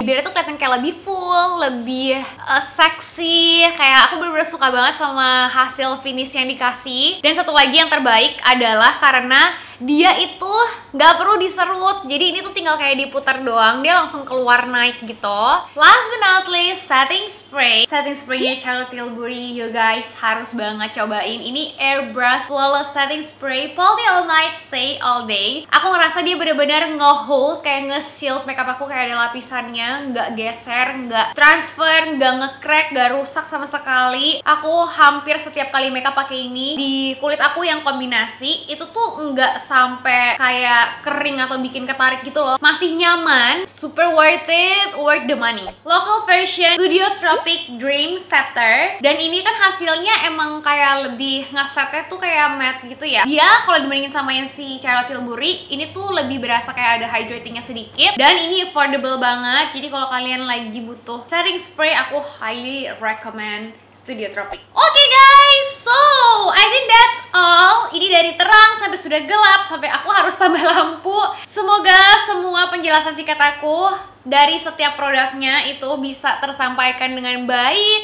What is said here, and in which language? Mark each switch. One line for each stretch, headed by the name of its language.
Indonesian: Bibirnya tuh kelihatan kayak lebih full, lebih seksi. Kayak aku bener-bener suka banget sama hasil finish yang dikasih. Dan satu lagi yang terbaik adalah karena dia itu nggak perlu diserut, jadi ini tuh tinggal kayak diputar doang, dia langsung keluar naik gitu. Last but not least, setting spray. Setting spraynya Charlotte Tilbury, you guys harus banget cobain. Ini Airbrush Flawless Setting Spray, Poly All Night, Stay All Day. Aku ngerasa dia benar-benar nge-hold, kayak nge-seal makeup aku kayak ada lapisannya, nggak geser, nggak transfer, nggak nge-crack, nggak rusak sama sekali. Aku hampir setiap kali makeup pakai ini di kulit aku yang kombinasi, itu tuh nggak sampai kayak kering atau bikin ketarik gitu loh. Masih nyaman, super worth it,
English: worth the money.
Indonesian: Local version Studio Tropic Dream Setter. Dan ini kan hasilnya emang kayak lebih ngesetnya tuh kayak matte gitu ya. Dia kalau dibandingin sama yang si Charlotte Tilbury, ini tuh lebih berasa kayak ada hydratingnya sedikit. Dan ini affordable banget. Jadi kalau kalian lagi butuh setting spray, aku highly recommend Studio Tropic.
English: Okay, guys, so I think that's all.
Indonesian: Ini dari terang sampai sudah gelap sampai aku harus tambah lampu. Semoga semua penjelasan singkat aku dari setiap produknya itu bisa tersampaikan dengan baik.